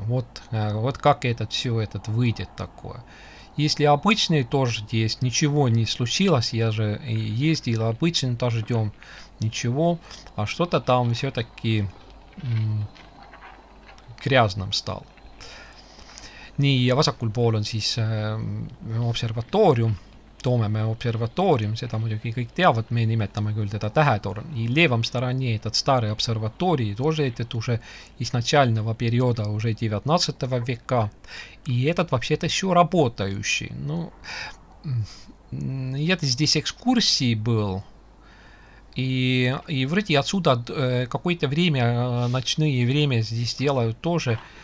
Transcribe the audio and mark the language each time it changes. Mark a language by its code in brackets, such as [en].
[ru] Вот как этот выйдет такое. Если обычный дождь есть, ничего не случилось, я же ездил обычным дождем, ничего, а что-то там все-таки грязным стал. [et] Nii, ja vasakul pool on siis observatoorium. Toome me observatoorium, seda muidugi kõik teavad, me nimetame küll teda tähetorn. [ru] И левом стороне этот старый обсерваторий, тоже этот уже из начального периода, уже 19 века. И этот вообще-то еще работающий. Ну, я-то здесь экскурсии был, и вроде отсюда какое-то время, ночное время здесь делают тоже.